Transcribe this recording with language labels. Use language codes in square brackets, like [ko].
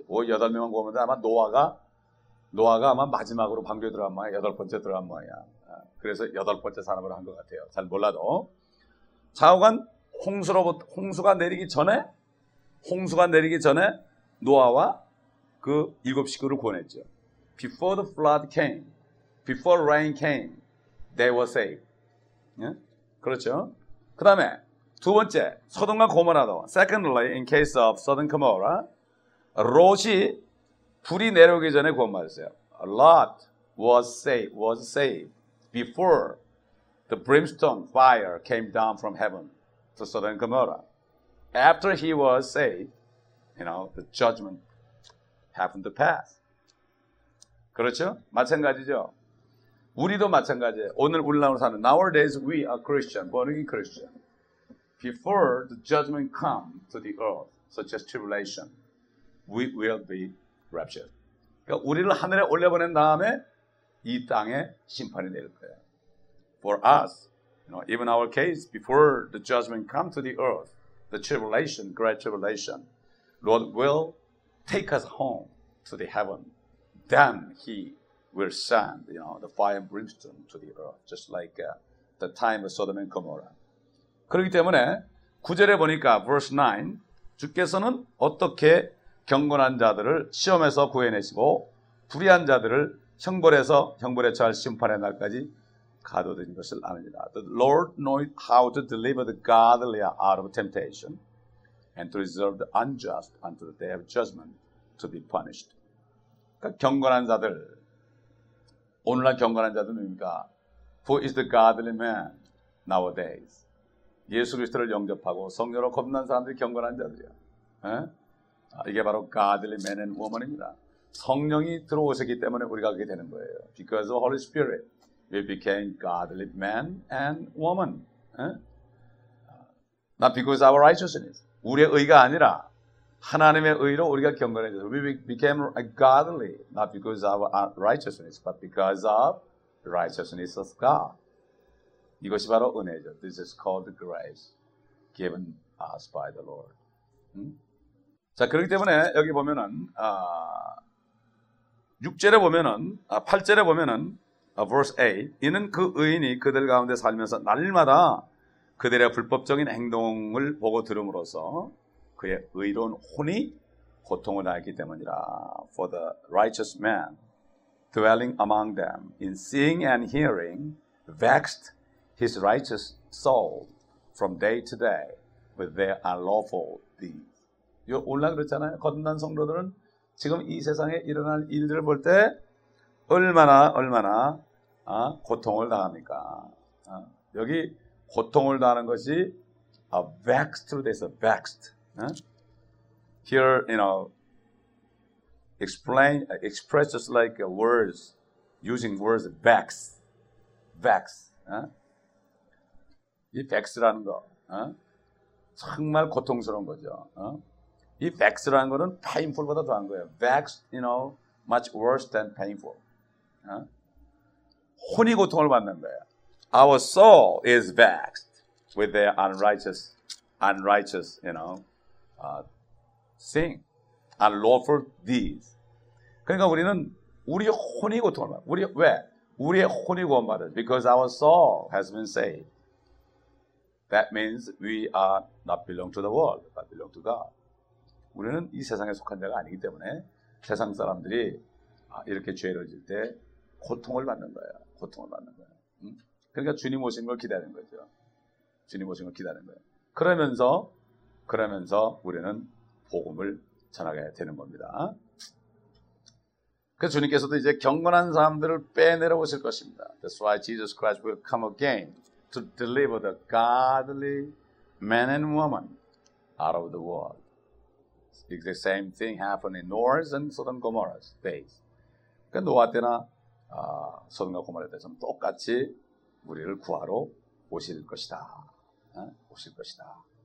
[ko] 여덟 명은 구원받았는데 아마 노아가 아마 마지막으로 방주에 들어간 모양이야. 여덟 번째 들어간 모양이야. 그래서 여덟 번째 사람으로 한 것 같아요. 잘 몰라도. 자오간 홍수가 내리기 전에 노아와 그 일곱 식구를 구원했죠. [en] Before the flood came, before rain came, they were saved. 예? [ko] 그렇죠. 그 다음에 두 번째, 소돔과 고모라도. [en] Secondly, in case of Sodom and Gomorrah, Lot이 [ko] 불이 내려오기 전에 구원받았어요. [en] Lot was saved before the brimstone fire came down from heaven to Sodom and Gomorrah. After he was saved, you know, the judgment happened to pass. [ko] 그렇죠? 마찬가지죠. 우리도 마찬가지예요. 오늘 우리나라로 사는 [en] Nowadays we are Christian, born again Christian. Before the judgment come to the earth, such as tribulation, we will be raptured. [ko] 그러니까 우리를 하늘에 올려보낸 다음에 이 땅에 심판이 내릴 거예요. [en] For us, you know, even our case, before the judgment come to the earth, the tribulation, great tribulation, Lord will take us home to the heaven. Then he will send, you know, the fire and brimstone to the earth, just like the time of Sodom and Gomorrah. [ko] 그렇기 때문에 9절에 보니까 verse 9, 주께서는 어떻게 경건한 자들을 시험에서 구해내시고 불의한 자들을 형벌에서 형벌에 처할 심판의 날까지 가둬둔 것을 아느니라. [en] The Lord knows how to deliver the godly out of temptation and to reserve the unjust unto the day of judgment to be punished. [ko] 그러니까 경건한 자들, 오늘날 경건한 자들 누굽니까? [en] Who is the godly man nowadays? [ko] 예수 그리스도를 영접하고 성령으로 거듭난 사람들이 경건한 자들이야. 에? 이게 바로 [en] godly man and woman [ko] 입니다. 성령이 들어오셨기 때문에 우리가 그렇게 되는 거예요. [en] Because of Holy Spirit, we became godly man and woman. 에? Not because of our righteousness. [ko] 우리의 의가 아니라 하나님의 의로 우리가 경건해져서 [en] We became godly, not because of our righteousness, but because of righteousness of God. [ko] 이것이 바로 은혜죠. [en] This is called grace given us by the Lord. [ko] 자, 그렇기 때문에 여기 보면은 6절에 보면은 8절에 보면은 verse 8 이는 그 의인이 그들 가운데 살면서 날마다 그들의 불법적인 행동을 보고 들음으로써 그의 의로운 혼이 고통을 당했기 때문이라. [en] For the righteous man dwelling among them in seeing and hearing vexed his righteous soul from day to day with their unlawful deeds. [ko] 요 오늘날 그렇잖아요. 거듭난 성도들은 지금 이 세상에 일어날 일들을 볼 때 얼마나 고통을 당합니까? 여기 고통을 당하는 것이 [en] a vexed through this, a vexed. Here, you know, express just like words, using words, vex, vex. [ko] 이 vex라는 거, 정말 고통스러운 거죠. 이 vex라는 거는 painful보다 더한 거예요. [en] Vex, you know, much worse than painful. [ko] 혼이 고통을 받는 거예요. [en] Our soul is vexed with their unrighteous, you know, sin, unlawful deeds. [ko] 그러니까 우리는 우리 혼이 고통을 받아. 우리 왜? 우리의 혼이 고통받은. [en] Because our soul has been saved. That means we are not belong to the world, but belong to God. [ko] 우리는 이 세상에 속한 자가 아니기 때문에 세상 사람들이 이렇게 죄를 질 때 고통을 받는 거야. 고통을 받는 거야. 그러니까 주님 오신 걸 기다리는 거죠. 주님 오신 걸 기다리는 거예요. 그러면서 우리는 복음을 전하게 되는 겁니다. 그래서 주님께서도 이제 경건한 사람들을 빼내러 오실 것입니다. [en] That's why Jesus Christ will come again to deliver the godly men and women out of the world. It's the same thing happened in Noah's and Sodom Gomorrah's days. [ko] 그 노아 때나 소돔과 고모라 때처럼 똑같이 우리를 구하러 오실 것이다. 오실 것이다.